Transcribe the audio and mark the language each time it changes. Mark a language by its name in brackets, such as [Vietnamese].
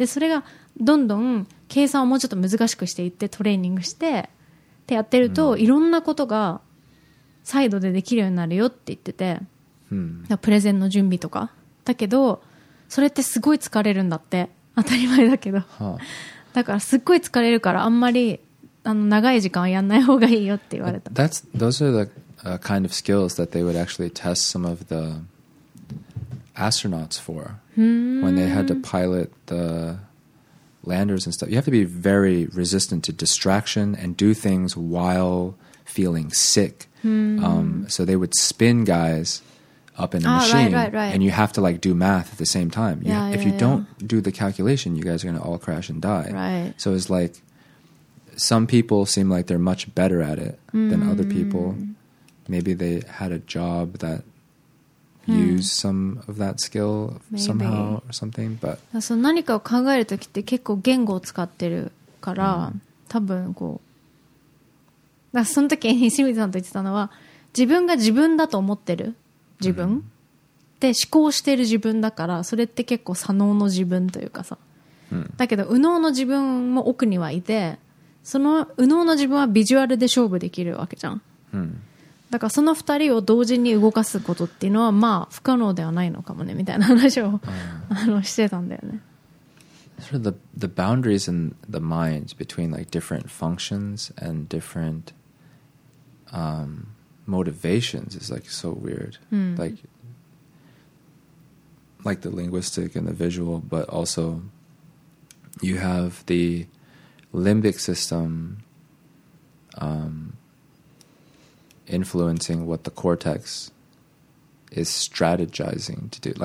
[Japanese] でそれがどんどん計算をもうちょっと難しくしていってトレーニングしてってやってると、いろんなことがサイドでできるようになるよって言ってて、プレゼンの準備とかだけど、それってすごい疲れるんだって当たり前だけど、だからすっごい疲れるからあんまり長い時間やんない方がいいよって言われた。 [English] Those are the kind of skills that they would actually test some of the astronauts for when they had to pilot the landers and stuff. You have to be very resistant to distraction and do things while feeling sick. So they would spin guys up in a machine, right. And you have to like do math at the same time. Don't do the calculation, you guys are going to all crash and die. Right. So it's like,Some people seem like they're much better at it than other people. Maybe they had a job that used some of that skill somehow or something. But [Japanese] そう、何かを考えるときって結構言語を使ってるから、多分こう、だからその時に清水さんと言ってたのは、自分が自分だと思ってる自分、うん、で思考してる自分だから、それって結構左脳の自分というかさ、うん、だけど右脳の自分も奥にはいて、その右脳の自分はビジュアルで勝負できるわけじゃん、うん、だからその二人を同時に動かすことっていうのはまあ不可能ではないのかもねみたいな話を、うん、してたんだよね。 [English] Sort of the boundaries in the mind between like different functions and different、motivations is like so weird、 [Japanese] うん、 [English] like the linguistic and the visual, but also you have the limbic system、influencing what the cortex is strategizing to do.